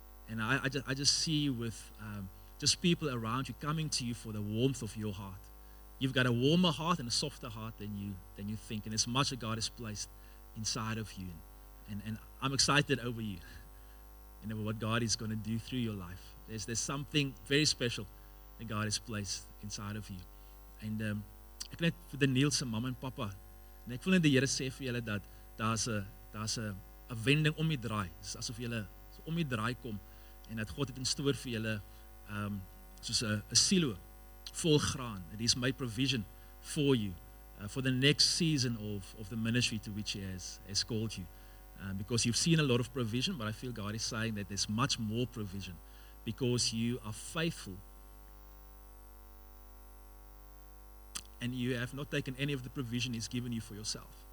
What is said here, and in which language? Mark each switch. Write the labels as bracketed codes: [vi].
[en] And I just see you with just people around you coming to you for the warmth of your heart. You've got a warmer heart and a softer heart than you think. And as much as God has placed inside of you, and I'm excited over you and over what God is going to do through your life. There's something very special that God has placed inside of you. [af] And ek net vir Daniel se mamma en papa, en ek wil net die Here sê vir julle dat daar's 'n wending om die draai. Dis asof julle om die draai kom en dat God het [en] in store [af] vir julle soos 'n silo vol graan. [en] It is my provision for you for the next season of the ministry to which He has called you. Because you've seen a lot of provision, but I feel God is saying that there's much more provision because you are faithful and you have not taken any of the provision He's given you for yourself.